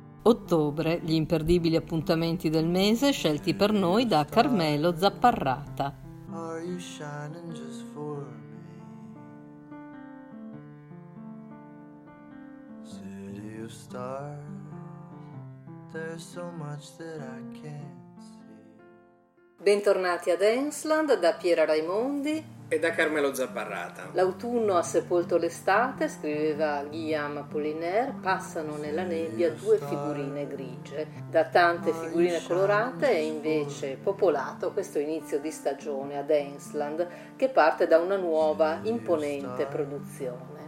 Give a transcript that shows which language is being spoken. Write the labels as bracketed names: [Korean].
[Italian] Ottobre, gli imperdibili appuntamenti del mese scelti per noi da Carmelo Zapparrata. [English] Are you shining just for me? City of stars, there's so much that I can't see. [Italian] Bentornati a Dance Land da Piera Raimondi e da Carmelo Zapparrata. L'autunno ha sepolto l'estate, scriveva Guillaume Apollinaire, passano nella nebbia due figurine grigie. Da tante figurine colorate è invece popolato questo inizio di stagione a Dansland, che parte da una nuova, imponente produzione.